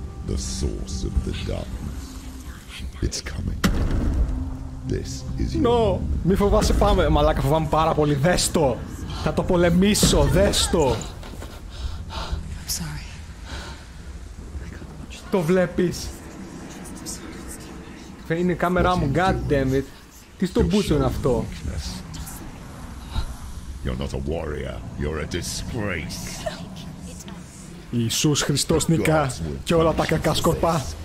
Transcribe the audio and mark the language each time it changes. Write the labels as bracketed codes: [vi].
[en] The source of the darkness. It's coming. This is you. [el] No! Μη φοβάσαι, πάμε. Μαλάκα, φοβάμαι πάρα πολύ. Δες το! Θα το πολεμήσω. Δες το! [en] I'm sorry. [el] Το βλέπεις. Είναι η κάμερά μου. [en] God damn it. [el] Τι στο μπούτσο είναι αυτό. [en] You're not a warrior, you're a disgrace. [el] Ιησούς Χριστός νικά και όλα τα κακά σκορπά.